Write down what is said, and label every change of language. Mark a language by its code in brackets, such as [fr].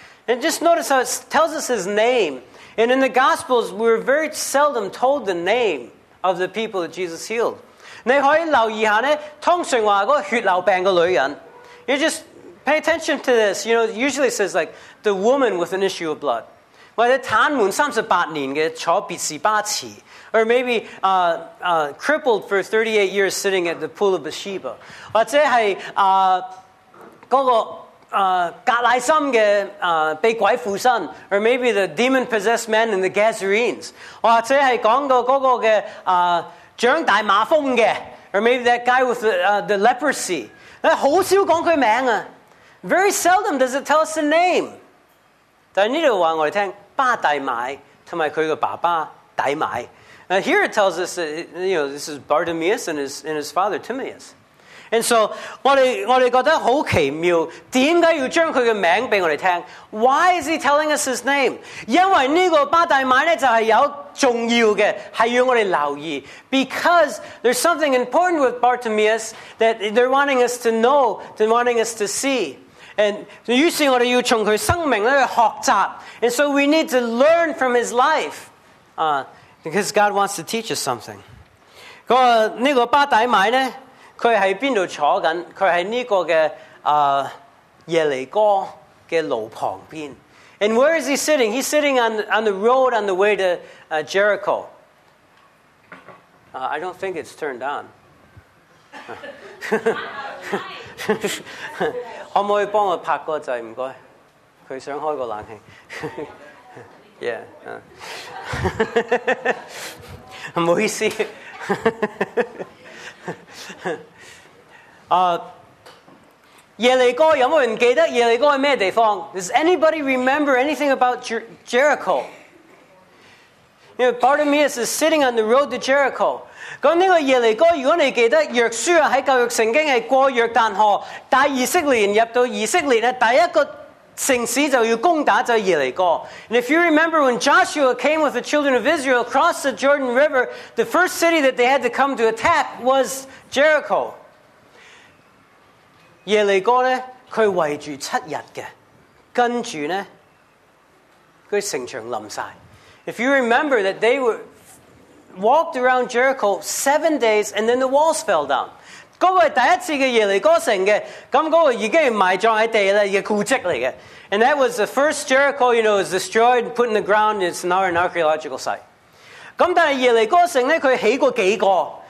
[en] And just notice how it tells us his name. And in the Gospels, we're very seldom told the name of the people that Jesus healed. [yue] 你可以留意一下呢，通常说那个血流病的女人。 [en] You just pay attention to this. You know, usually it says like the woman with an issue of blood. [yue] 或者瘫痪38年嘅坐别士巴池 [en] ，or maybe crippled for 38 years sitting at the pool of Bathsheba， [yue] 或者系格赖森嘅被鬼附身 [en] ，or maybe the demon possessed man in the Gazarenes， [yue] 或者系讲到嗰个嘅长大麻风嘅 [en] ，or maybe that guy with the leprosy， [yue] 好少讲佢名啊 [en] ，very seldom does it tell us the name。 [yue] 但呢度话我哋听巴大买同埋佢个爸爸大买 [en] ，here it tells us that, you know this is Bartimaeus and his father Timaeus。 [yue] And so, 我哋觉得好奇妙，点解要将佢嘅名俾我哋听 ？ [en] Why is he telling us his name？ [yue] 因为呢个巴大买咧就系有重要嘅，系要我哋留意。 [en] Because there's something important with Bartimaeus that they're wanting us to know, they're wanting us to see。 [yue] And 於是我哋要从佢生命咧去学习。 [en] And so we need to learn from his life， because God wants to teach us something。 [yue] 那个巴大买呢？佢喺边度坐紧？佢喺呢个嘅耶利哥嘅路旁边。 [en] And where is he sitting? He's sitting on the road on the way to Jericho. I don't think it's turned on. [yue] 可唔可以帮我拍个掣？唔该，佢想开个冷气。 Yeah， 唔好意思。耶利哥有冇人记得耶利哥系咩地方 ？ [en] Does anybody remember anything about Jericho？因为 Bartimaeus is sitting on the road to Jericho。 [yue] 咁呢个耶利哥，如果你记得约书亚喺旧约圣经系过约旦河带以色列人入到以色列咧，第一个城市就要攻打就耶利哥。 [en] And if you remember when Joshua came with the children of Israel across the Jordan River, the first city that they had to come to attack was Jericho。 [yue] 耶利哥咧，佢围住7日嘅，跟住咧，佢城墙冧晒。 [en] If you remember that they were walked around Jericho 7 days, and then the walls fell down。 [yue] 嗰个系第一次嘅耶利哥城嘅，咁嗰个已经系埋葬喺地啦，嘅古迹嚟嘅。 [en] And that was the first Jericho, you know, is destroyed and put in the ground. It's now an archaeological site。 [yue] 咁但系耶利哥城咧，佢起过几个。